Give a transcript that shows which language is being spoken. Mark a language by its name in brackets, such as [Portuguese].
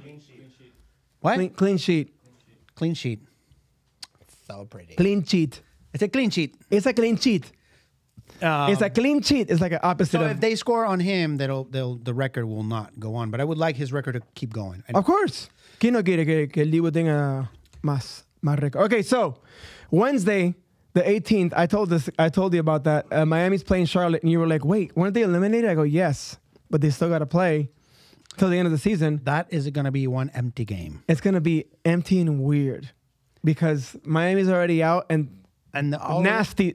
[English] Clean sheet. What? Clean sheet. So pretty. Clean sheet. It's a clean sheet. It's a clean sheet. It's a clean sheet. It's like an opposite. So if they score on him, the record will not go on. But I would like his record to keep going. Of course. [Spanish] ¿Quién no quiere que el Dibu tenga más record? [English] Okay, so Wednesday, the 18th, I told you about that. Miami's playing Charlotte, and you were like, wait, weren't they eliminated? I go, yes, but they still got to play till the end of the season. That is going to be one empty game. It's going to be empty and weird because Miami's already out and nasty.